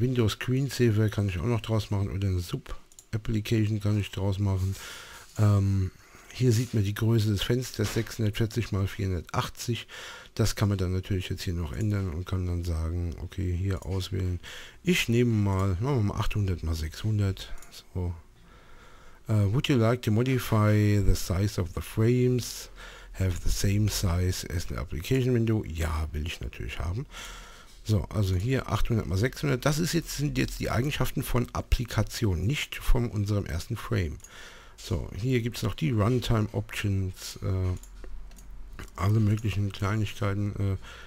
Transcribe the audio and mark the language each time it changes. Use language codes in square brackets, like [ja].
[de] Windows Screen Saver kann ich auch noch draus machen. Oder eine Sub-Application kann ich draus machen. Hier sieht man die Größe des Fensters, 640x480. Das kann man dann natürlich jetzt hier noch ändern und kann dann sagen, okay, hier auswählen. Ich nehme mal, machen wir mal 800x600. So. [en] Would you like to modify the size of the frames? Have the same size as the application window? [de] Ja, will ich natürlich haben. So, also hier 800x600. Das ist jetzt, sind jetzt die Eigenschaften von Applikation, nicht von unserem ersten Frame. So, hier gibt es noch die Runtime Options, alle möglichen Kleinigkeiten.